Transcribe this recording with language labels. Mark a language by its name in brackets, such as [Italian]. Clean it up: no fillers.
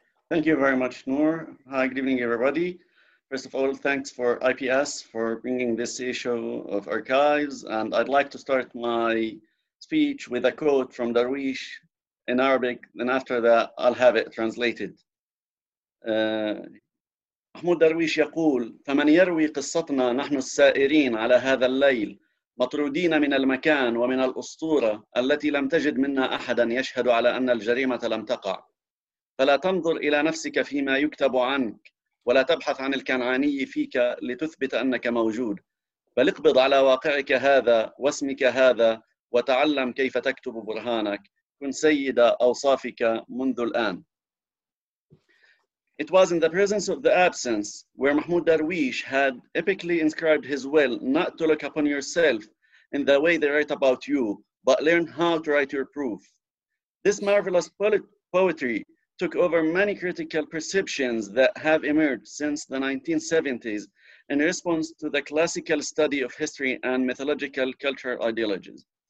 [English] Thank you very much, Noor. Hi, good evening, everybody. First of all, thanks for IPS for bringing this issue of archives. And I'd like to start my speech with a quote from Darwish in Arabic, then after that, I'll have it translated. [Arabic] Mahmoud Darwish يقول فمن يروي قصتنا نحن السائرين على هذا الليل مطرودين من المكان ومن الأسطورة التي لم تجد منا أحدا يشهد على أن الجريمة لم تقع فلا تنظر إلى نفسك فيما يكتب عنك ولا تبحث عن الكنعاني فيك لتثبت أنك موجود بل اقبض على واقعك هذا واسمك هذا وتعلم كيف تكتب برهانك كن سيدة أوصافك منذ الآن. [English] It was in the presence of the absence where Mahmoud Darwish had epically inscribed his will not to look upon yourself in the way they write about you, but learn how to write your proof. This marvelous poetry took over many critical perceptions that have emerged since the 1970s in response to the classical study of history and mythological cultural ideologies,